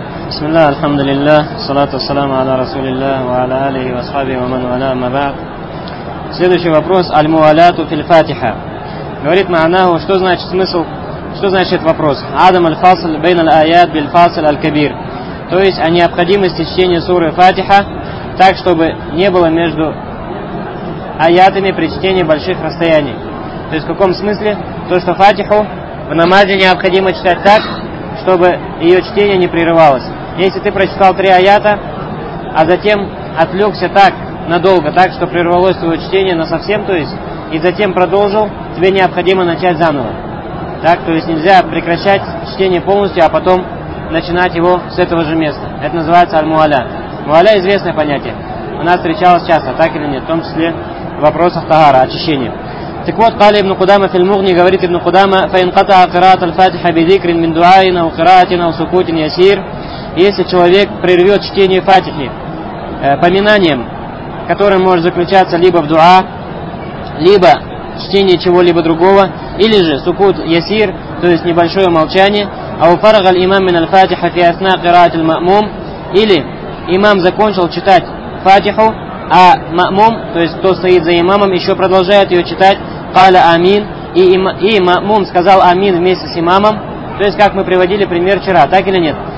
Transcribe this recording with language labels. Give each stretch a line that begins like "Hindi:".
Arabic: بسم الله الحمد لله الصلاة والسلام على رسول الله وعلى آله وصحبه ومن والاه ما بعد.
Russian: Следующий вопрос:
Arabic: аль-муалату филь-фатиха.
Russian: Говорит
Arabic: ма'анаху,
Russian: что значит смысл, что значит вопрос?
Arabic: Адам аль-фасл бейн аль-аят биль-фасл аль-кабир.
Russian: То есть о необходимости чтения суры Фатиха так, чтобы не было между аятами при чтении больших расстояний. То есть в каком смысле? То, что Фатиху в намазе необходимо читать так, чтобы ее чтение не прерывалось. Если ты прочитал три аята, а затем отвлекся так надолго, так, что прервалось твое чтение насовсем, то есть, и затем продолжил, тебе необходимо начать заново. Так, то есть нельзя прекращать чтение полностью, а потом начинать его с этого же места. Это называется аль-муаля. Муаля – известное понятие. У нас встречалось часто, так или нет, в том числе в вопросах тахара, очищения. Так вот,
Arabic: قال ابن قدامة في المغني,
Russian: говорит
Arabic: ابن قدامة, فانقطع قراءة الفاتحة بذكر من دعاء أو قراءة أو سكوت يسير.
Russian: Если человек прервет чтение Фатихи поминанием, которое может заключаться либо в дуа, либо чтение чего-либо другого, или же
Arabic: сукут ясир,
Russian: то есть небольшое молчание,
Arabic: а у фарага имам мин аль-фатиха фи асна قراءه المأموم,
Russian: или имам закончил читать Фатиху, а мамум, то есть кто стоит за имамом, еще продолжает ее читать,
Arabic: قَالَ
Russian: амин, и мамум сказал амин вместе с имамом, то есть как мы приводили пример вчера, так или нет?